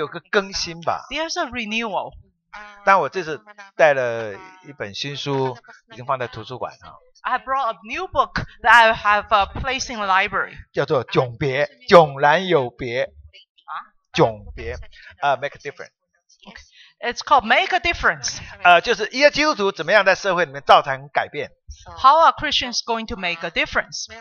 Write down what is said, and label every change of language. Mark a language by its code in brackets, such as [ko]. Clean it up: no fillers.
[zh] 会有个更新吧。 [en] There's a renewal. [zh] 但我这次带了一本新书，已经放在图书馆了。 [en] I brought a new book that I have placed in the library. [zh] 叫做《迥别》，迥然有别。迥别 [en] make a difference. It's called make a difference. [zh] 就是一个基督徒怎么样在社会里面造成改变。 [en] How are Christians going to make a difference?